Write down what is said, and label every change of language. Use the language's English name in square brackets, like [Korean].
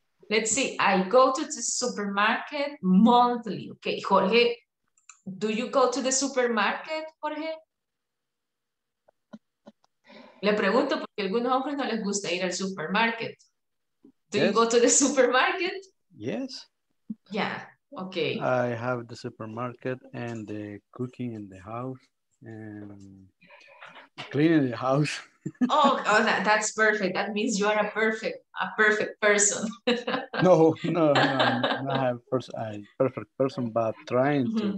[English] Let's see, I go to the supermarket monthly. Okay, Jorge, do you go to the supermarket, Jorge? [Spanish] Le pregunto porque a algunos hombres no les gusta ir al supermarket. [English] Do you go to the supermarket? Yes. Yeah, okay. I have the supermarket and the cooking in the house and cleaning the house. Oh, that's perfect. That means you are a perfect person. I'm not a perfect person, but trying mm-hmm.